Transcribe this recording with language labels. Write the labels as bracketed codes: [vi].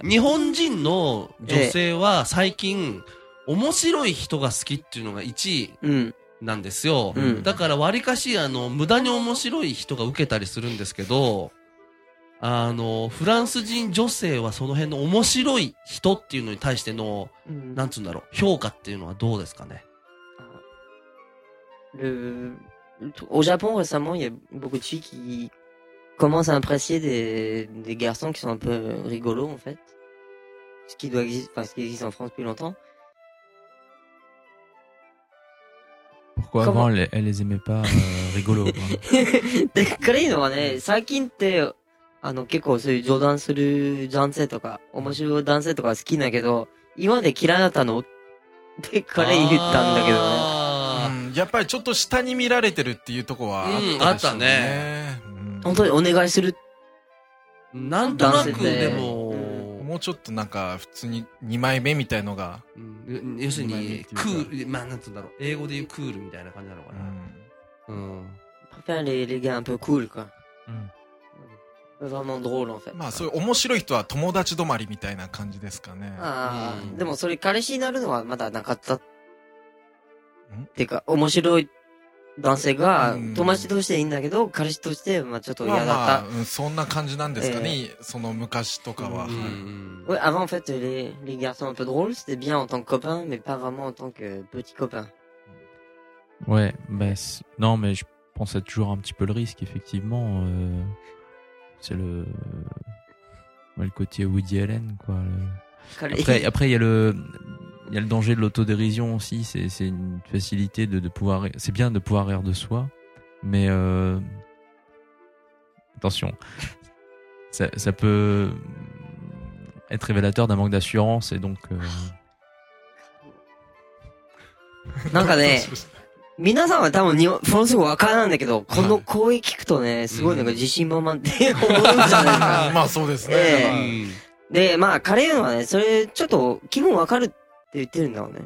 [ja] 日本人の女性は最近面白い人が好きっていうのが1位。なんですよ、うん、だからわりかしあの無駄に面白い人が受けたりするんですけど、あのフランス人女性はその辺の面白い人っていうのに対しての、うん、なんつうんだろう、評価っていうのはどうですかね。 [fr] Au Japon récemment, il y a beaucoup de filles qui commencent à apprécier des garçons qui sont un peu rigolos en fait, ce qui doit exister, enfin ce qui existe en France depuis longtemps. Pourquoi avant elle les aimait pas rigolos? [ja] で、クリーンはね、最近ってあの結構そういう冗談する男性とか面白い男性とか好きだけど、今まで嫌いだったのって彼言ったんだけどね。やっぱりちょっと下に見られてるっていうとこはあったでしょうね、うん、本当にお願いする、なんとなくでも、うん、もうちょっとなんか普通に2枚目みたいのが、うん、要するにクール、まあなんつうんだろう、英語で言うクールみたいな感じなのかな、うん、パパレレギャンプクールか、うん、 [fr] vraiment drôle en fait、 [ja] まあそういう面白い人は友達止まりみたいな感じですかね。ああ、うん、でもそれ彼氏になるのはまだなかったてか、面白い男性が友達としていいんだけど、うん、彼氏としてまあちょっと嫌だった、まあまあうん、そんな感じなんですかね、その昔とかは、 [fr] うんうん、avant en fait les garçons un peu drôles c'était bien en tant que copain mais pas vraiment en tant que petit copain. Ouais, mais non mais je pensais toujours un petit peu le risque effectivement c'est le ouais, le côté Woody Allen quoi le... après il y a le il y a le danger de l'autodérision aussi, c'est une facilité de pouvoir, c'est bien de pouvoir rire de soi, mais attention, ça peut être révélateur d'un manque d'assurance et donc. [ja] なんかね、皆さんは多分日本フランス語わからないんだけど、この声聞くとね、すごいなんか自信満々って思うじゃないですか。まあそうですね。で、まあ彼はね、それちょっと気分わかる。って言ってるんだろうね。